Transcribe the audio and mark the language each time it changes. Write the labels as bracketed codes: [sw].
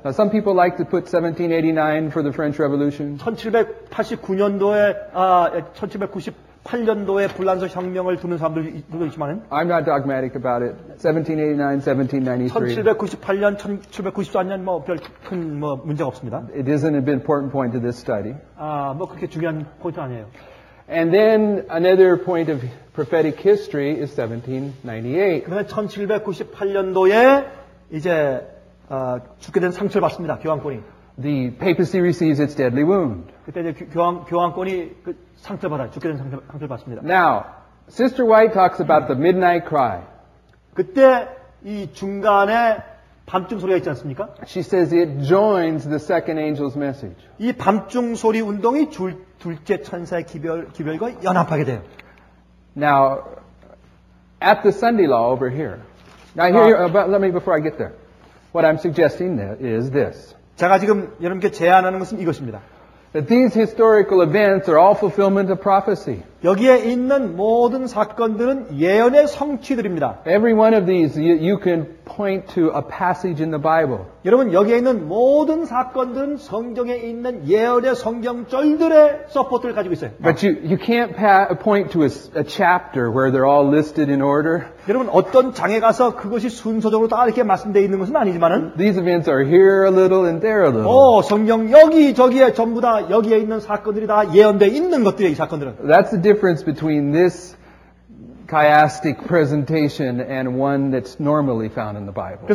[en] Now some people like to put 1789 for the French Revolution. [ko] 1789년도에 1798년도에 불란서 혁명을 두는 사람들도 있지만은 [en] I'm not dogmatic about it. 1789, 1793. [ko] 1798년, 1794년 별큰 문제가 없습니다. [en] It isn't an important point to this study. [ko] 그렇게 중요한 포인트 아니에요. [en] And then another point of prophetic history is 1798. [ko] 1798년도에 이제 죽게 된 상처를 받습니다. 교황권이. [en] The papacy receives its deadly wound. [ko] 그때 이제 교황권이 그 상처 받아 죽게 된 상처를 받습니다. [en] Now, Sister White talks about the midnight cry. [ko] 그때 이 중간에 밤중 소리가 있지 않습니까? [en] She says it joins the second angel's message. [ko] 이 밤중 소리 운동이 둘째 천사의 기별과 연합하게 돼요. [en] Now, at the Sunday law over here. Now here, but let me before I get there. What I'm suggesting is this. [ko] 제가 지금 여러분께 제안하는 것은 이것입니다. [en] That these historical events are all fulfillment of prophecy. [ko] 여기에 있는 모든 사건들은 예언의 성취들입니다. [en] Every one of these you can point to a passage in the Bible. [ko] 여러분 여기에 있는 모든 사건들은 성경에 있는 예언의 성경절들의 서포트를 가지고 있어요. [en] But you can't point to a chapter where they're all listed in order. [ko] 여러분 어떤 장에 가서 그것이 순서적으로 다 이렇게 말씀되어 있는 것은 아니지만은 [en] These events are here a little and there a little. [ko] 오, 성경 여기 저기에 전부 다 여기에 있는 사건들이 다 예언돼 있는 것들이에요, 이 사건들은. [en] That's the difference between this chiastic presentation and one that's normally found in the Bible.